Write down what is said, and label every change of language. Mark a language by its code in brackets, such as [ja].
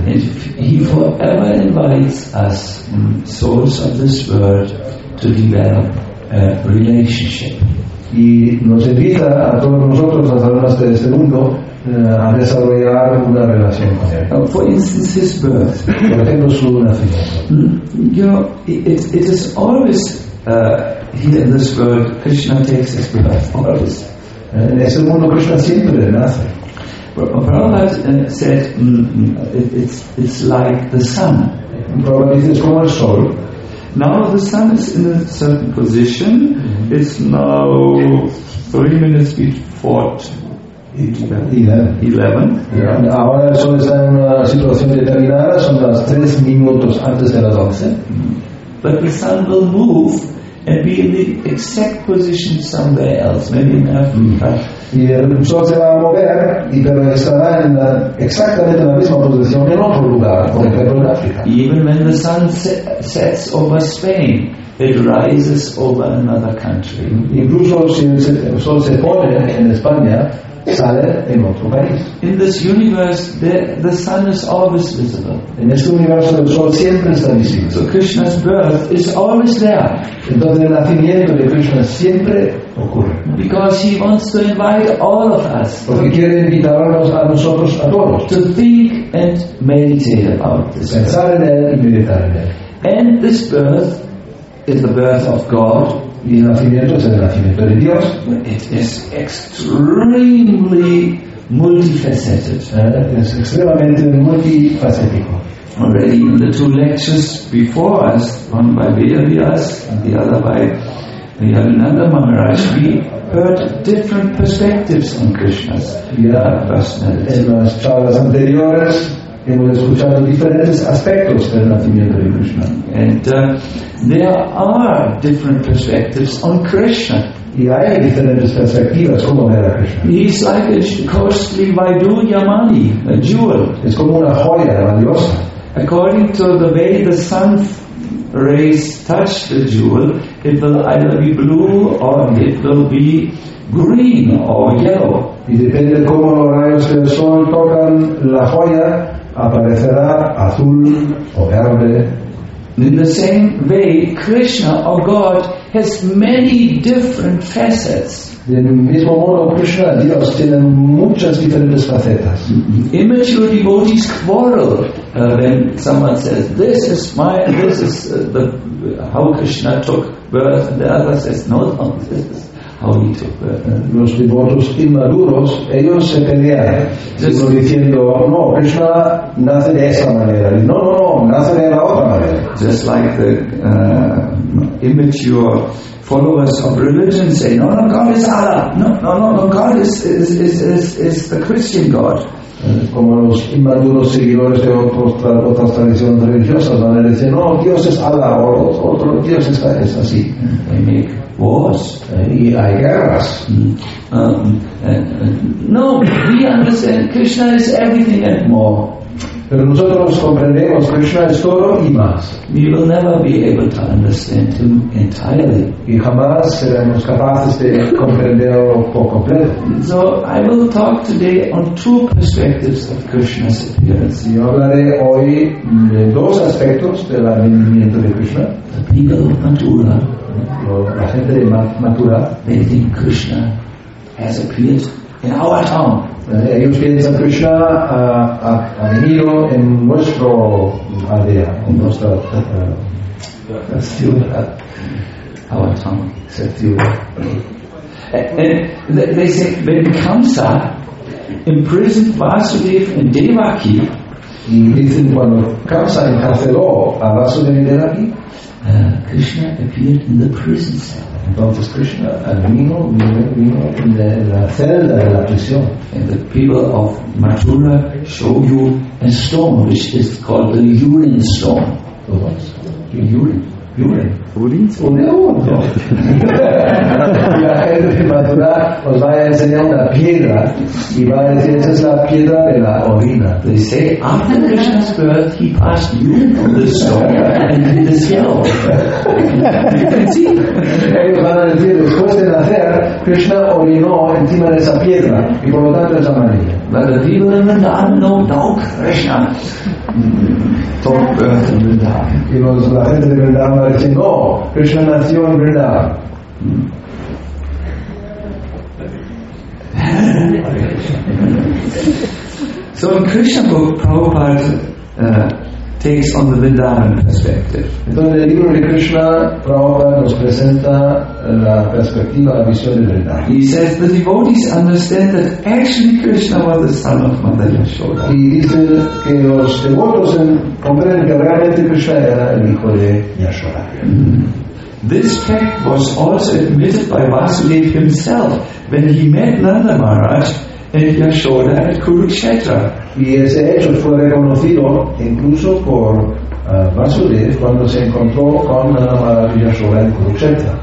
[en] And he forever invites us, souls of this world, to develop a relationship. [es] Y nos invita a todos nosotros, a almas de este mundo, a desarrollar una relación con él. [en] For instance, his birth. [es] Por ejemplo, su nacimiento. [en] It is always here in this world, Krishna takes his birth. Always. [es] En este mundo, Krishna siempre nace. [en] Prabhupada said, it's like the sun. [es] Prabhupada dice, es como el sol. [en] Now the sun is in a certain position. Mm-hmm. It's now 3 minutes before 11. Yeah. [es] Ahora el sol está en una situación determinada. Son las 3 minutos antes de las 11. Mm-hmm. [en] But the sun will move and be in the exact position somewhere else, maybe in Africa. [es] Y el sol se va a mover y pero estará en la, exactamente en la misma posición en otro lugar, por ejemplo en África. [en] Even when the sun sets over Spain, it rises over another country. [es] Incluso si el sol se pone en España, sale en otro país. [en] In this universe, the sun is always visible. [es] En este universo el sol siempre está visible. [en] So Krishna's birth is always there. [es] Entonces el nacimiento de Krishna siempre ocurre. [en] Because he wants to invite all of us. [es] Porque quiere invitarnos a nosotros a todos. [en] To think and meditate about this. [es] Pensar en él y meditar en él. [en] And this birth is the birth of God. [es] Y el nacimiento es el nacimiento de Dios. [en] It is extremely multifaceted. [es] Es extremadamente multifacético. [en] Already in the two lectures before us, one by Vedavyas and the other by Yogananda Maharaj, we heard different perspectives on Krishna's personality. [es] En las charlas anteriores hemos escuchado diferentes aspectos del nacimiento de Krishna. [en] And there are different perspectives on Krishna. [es] Y hay diferentes perspectivas como era Krishna. [en] He's like a costly vaidu yamani, a jewel. [es] Es como una joya valiosa. [en] According to the way the sun rays touch the jewel, it will either be blue or it will be green or yellow. [es] Y depende de cómo los rayos del sol tocan la joya, aparecerá azul o verde. [en] In the same way, Krishna or God has many different facets. [es] Del mismo modo, Krishna, Dios, tiene muchas diferentes facetas. [en] Immature devotees quarrel when someone says, "This is my, this is the how Krishna took birth." And the other says, "No, this is [es] ahorita. Los devotos inmaduros, ellos se pelean, sino diciendo, no, Krishna nace de esta manera. No, no, no, nace de la otra manera. [en] Just like the immature followers of religion say, no, no, God is Allah. No, no, no, no, God is the Christian God. [es] Como los inmaduros seguidores de otras tradiciones religiosas van a decir, no, Dios es Allah, otro Dios es así. [en] They make wars. [es] Y hay guerras. [en] No, we understand Krishna is everything and more. [es] Pero nosotros comprendemos que Krishna es todo y más. [en] We will never be able to understand him entirely. [es] Y jamás seremos capaces de comprenderlo por completo. [en] So I will talk today on two perspectives of Krishna's appearance. [es] Y hablaré hoy de dos aspectos del advenimiento de Krishna. [en] The people of Mathura, [es] la gente de Mathura, [en] they think Krishna has appeared in our town. [es] Ellos piensan que Krishna ha venido en nuestra aldea, en nuestra ciudad. [en] Our town. And they say, when Kamsa imprisoned Vasudev and Devaki, [es] y dicen cuando Kamsa encarceló a Vasudev y Devaki, [en] Krishna appeared in the prison cell. [es] Entonces Krishna vino en la celda de la prisión. [en] And the people of Mathura show you a stone which is called the urine stone. Urine. [es] La gente de Mathura os va a enseñar una piedra y va a decir, esa es la piedra de la orina. [en] They say, after Krishna's birth, he passed urine on this stone and did this yellow. [es] Ellos van a decir, después de nacer, Krishna orinó encima de esa piedra y por lo tanto es amarilla. [en] But the people in Vrindavan know no Krishna. [es] Y la gente de Vrindavan va a decir, no, Krishna nació en Vrindavan. [en] So in Krishna book, Prabhupada takes on the Vrindavan perspective. [es] Entonces el libro de Krishna, Prabhupada nos presenta la perspectiva, la visión de Vrindavan. [en] He says the devotees understand that actually Krishna was the son of Mother Yashoda. [es] Y dice que los devotos comprenden que realmente Krishna era el hijo de Yashoda. [en] This fact was also admitted by Vasudev himself when he met Nanda Maharaj and Yashoda at Kurukshetra. [es] Y ese hecho fue reconocido incluso por Vasudev cuando se encontró con Nanda Maharaj y Yashoda en Kurukshetra.